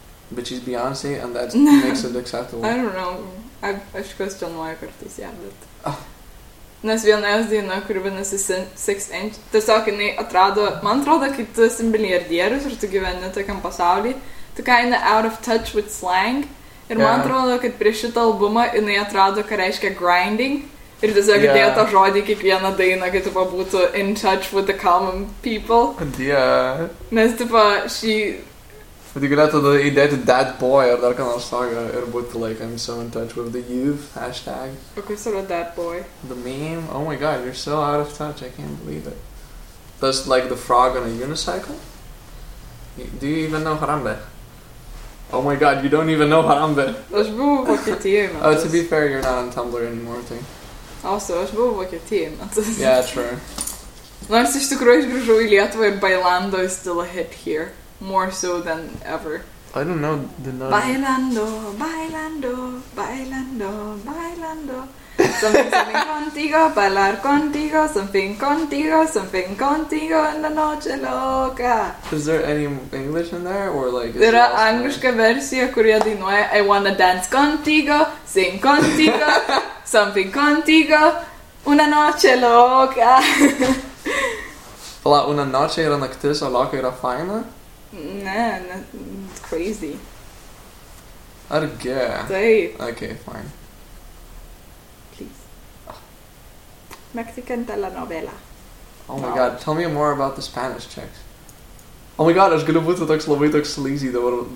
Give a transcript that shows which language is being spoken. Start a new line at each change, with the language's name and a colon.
English: But she's Beyonce and that makes it acceptable. I don't know.
Lithuanian: Aš kvestionuoju kartais ją, bet... Nes viena jos diena, kuri vienasi 6 inch, tiesiog jinai atrado, man atrodo, kaip tu esi milijardierius ir tu gyveni tokiam pasaulyje, tu
English: kinda out of touch with slang,
Lithuanian: ir man atrodo, kad prie šitą albumą jinai atrado, ką reiškia grinding, ir tiesiog dėjo tą žodį kiekvieną dainą, kad tu pabūtų
English: in touch with the common people. Yeah.
Lithuanian: Nes, tipo, šį... Bet jį galėtų tada įdėti dad boy ar dar ką nors tokio ir būti like,
English: I'm so in touch with the youth, hashtag.
Lithuanian: O kas yra dad boy?
English: The meme? Oh my god, you're so out of touch, I can't believe it. That's like the frog on a unicycle? Do you even know Harambe? Oh my god, you don't even know Harambe.
Lithuanian: Aš buvau Vokietijoje metus.
English: Oh, to be fair, you're not on Tumblr anymore, thing.
Lithuanian: Also, aš buvau Vokietijoje metus.
English: Yeah, true.
Lithuanian: Nors iš tikrųjų aš grįžau į Lietuvą ir Bailando
English: is still a hit here. More so than ever. I don't know the
Spanish: name. Bailando, bailando, bailando, bailando. Something contigo, bailar contigo, something contigo, something contigo en la noche loca.
English: Is there any English in there or like?
Lithuanian: Yra angliška versija, kurie dainuoja
English: I wanna dance contigo, sing contigo, something contigo, una noche loca.
Lithuanian: La una noche era naktis, o loca era faina.
English: Nah, not crazy.
Lithuanian: Ar gerai. Taip.
English: Okay, fine. Please. Mexican telenovela. Oh my god, tell me more about the Spanish chicks.
Lithuanian: Oh my god, aš galiu būti toks labai toks sleazy dabar.